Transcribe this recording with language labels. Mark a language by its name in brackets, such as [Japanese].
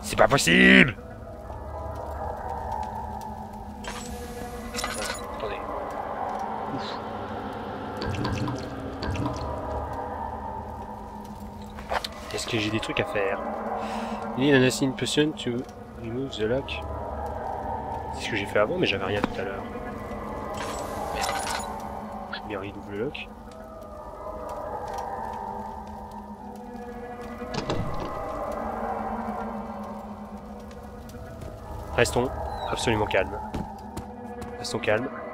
[French] Possible. Attendez. Ouf. Est-ce que j'ai des trucs à faire? [English] Need an assigned potion to remove the lock. [French] C'est ce que j'ai fait avant, mais j'avais rien tout à l'heure. Merde. J'ai bien redoublé le lock. Restons absolument calmes. Restons calmes.